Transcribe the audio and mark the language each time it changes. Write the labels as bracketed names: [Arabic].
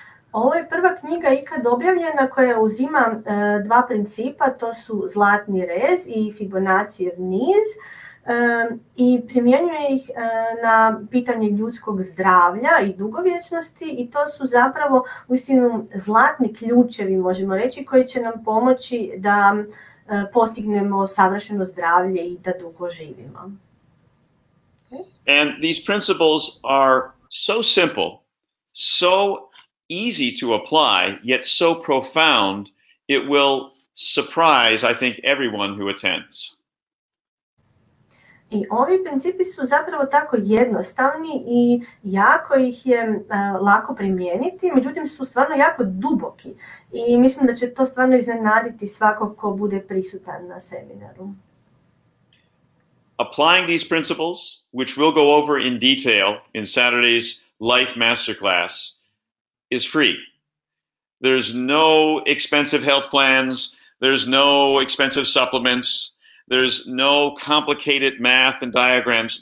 [Bosnian] Ovo je prva knjiga ikad objavljena koja uzima dva principa, to su zlatni rez I Fibonacijev niz I primjenjuje ih na pitanje ljudskog zdravlja I dugovječnosti I to su zapravo uistinu zlatni ključevi, možemo reći, koji će nam pomoći da postignemo savršeno zdravlje I da dugo živimo. [English] Okay. And these principles are so simple, so easy to apply, yet so profound, it will surprise, I think, everyone who attends. [Bosnian] I ovi principi su zapravo tako jednostavni I jako ih je lako primijeniti, međutim su stvarno jako duboki I mislim da će to stvarno iznenaditi svakog ko bude prisutan na seminaru. [English] Applying these principles, which we'll go over in detail in Saturday's Life Masterclass, is free. There's no expensive health plans, there's no expensive supplements, there's no complicated math and diagrams.